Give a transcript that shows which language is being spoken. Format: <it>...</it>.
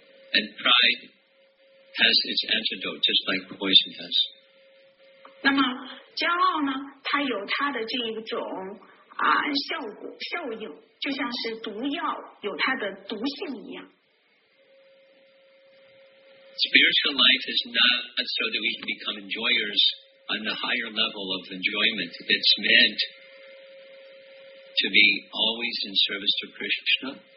<en>And pride has its antidote, just like poison has.</en> <zh>那么骄傲呢？它有它的这一种效果效应，就像是毒药有它的毒性一样。</zh> <en>Spiritual life is not so that we can become enjoyers on the higher level of enjoyment. It's meant to be always in service to Krishna.</en>